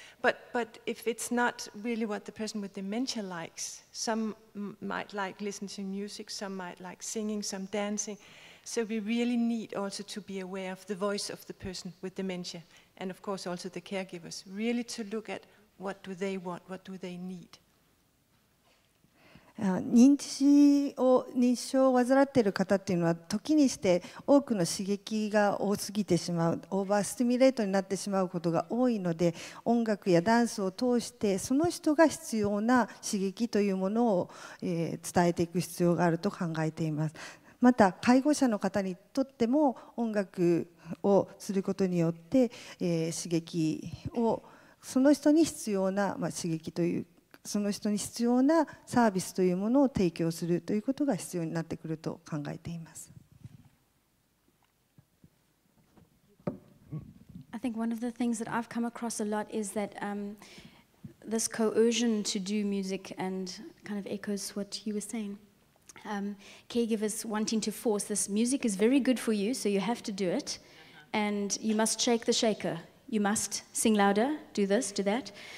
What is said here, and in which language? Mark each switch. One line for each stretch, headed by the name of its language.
English: But if it's not really what the person with dementia likes, some might like listening to music, some might like singing, some dancing. So we really need also to be aware of the voice of the person with dementia, and of course also the caregivers, really to look at what do they want, what do they need.
Japanese: 認知症を認知症を患っている方っていうのは時にして多くの刺激が多すぎてしまうオーバーストミュレートになってしまうことが多いので音楽やダンスを通してその人が必要な刺激というものを、伝えていく必要があると考えています。また介護者の方にとっても音楽をすることによって、刺激をその人に必要な、刺激というかその人に必要なサービスというものを提供するということが必要になってくると考えています。
English: I think one of the things that I've come across a lot is that, this coercion to do music and kind of echoes what you were saying. Caregivers wanting to force this music is very good for you, so you have to do it, and you must shake the shaker, you must sing louder, do this, do that.